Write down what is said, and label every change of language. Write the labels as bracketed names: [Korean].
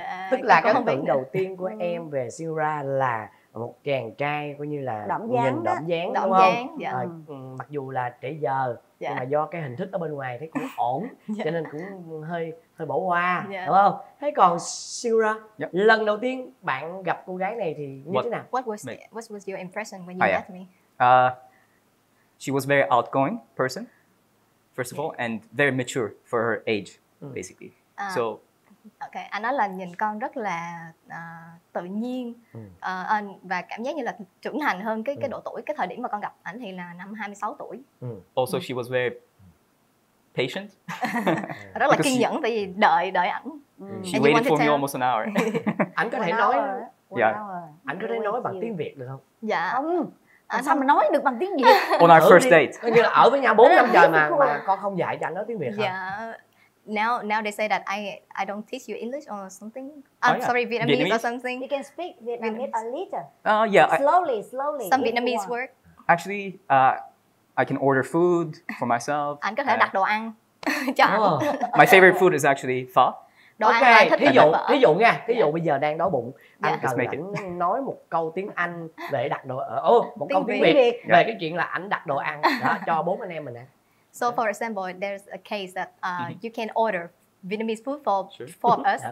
[Vietnamese] Tức là cái ấn tượng đầu tiên của em về Sigura là một chàng trai coi như là đậm dáng, đậm dáng đúng không? Mặc dù là trễ giờ, nhưng mà do cái hình thức ở bên ngoài thấy cũng ổn, cho nên cũng hơi bỏ qua, đúng không? Thế còn Sigura, lần đầu tiên bạn gặp cô gái này thì như thế nào? [English] What was your impression when you met me? She was very outgoing person, first of all, and very mature for her age, basically. So [Vietnamese] Ok, anh nói là nhìn con rất là tự nhiên, và cảm giác như là trưởng thành hơn cái độ tuổi, cái thời điểm mà con gặp ảnh thì là năm 26 tuổi. [English] Also she was very patient. [Vietnamese] Rất là kiên nhẫn tại vì đợi ảnh. [English] She waited for me almost an hour. [Vietnamese] Anh có thể nói [English] yeah. [Vietnamese] Anh có thể nói bằng tiếng Việt được không? Dạ. Sao mà nói được bằng tiếng Việt? [English] On our first date. [Vietnamese] Coi như là ở với nhau 4 năm trời mà con không dạy cho anh nói tiếng Việt hả? Dạ. [English] Now they say that I don't teach you English or something. Sorry, Vietnamese or something. You can speak Vietnamese a little. Slowly. Some Vietnamese work. Actually, I can order food for myself. [Vietnamese] Anh có thể đặt đồ ăn cho anh. [English] My favorite food is actually pho. [Vietnamese] Đồ ăn anh thích là phở. Ví dụ nha, bây giờ đang đói bụng. Anh cần ảnh nói một câu tiếng Anh để đặt đồ ăn. Một câu tiếng Việt về cái chuyện là ảnh đặt đồ ăn cho bốn anh em mình nè. [English] So for example, there's a case that you can order Vietnamese food for four of us.